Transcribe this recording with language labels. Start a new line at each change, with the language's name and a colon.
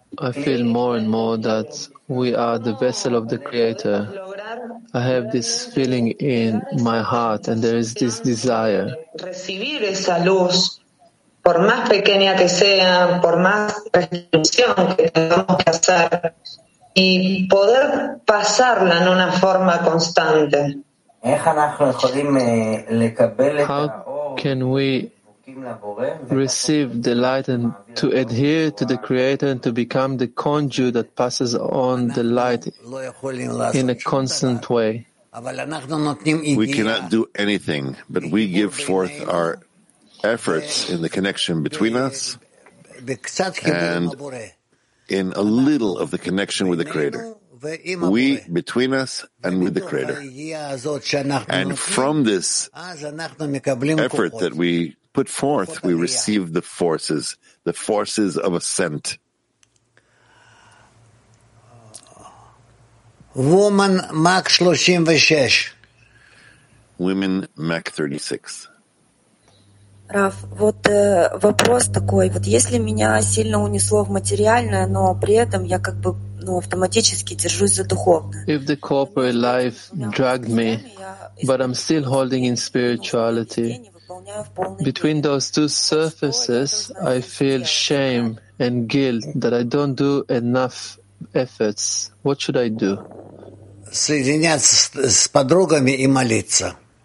English: I feel more and more that we are the vessel of the Creator. I have this feeling in my heart and there is this desire.
Spanish: Recibir esa luz. Por más pequeña que sea, por más restricción que tengamos que hacer, y poder pasarla en una forma constante.
English: How can we receive the light and to adhere to the Creator and to become the conduit that passes on the light in a constant way? We cannot do anything, but we give forth our efforts in the connection between us and in a little of the connection with the Creator. We between us and with the Creator. And from this effort that we put forth, we receive the forces of ascent. Woman Mach 36. Women Mach 36.
Russian: Раф, вот вопрос такой, вот если меня сильно унесло в материальное, но при этом я как бы автоматически держусь за духовное.
English: If the corporate life dragged me, but I'm still holding in spirituality, between those two surfaces, I feel shame and guilt that I don't do enough efforts. What should I do?
Russian: Соединяться с подругами и молиться.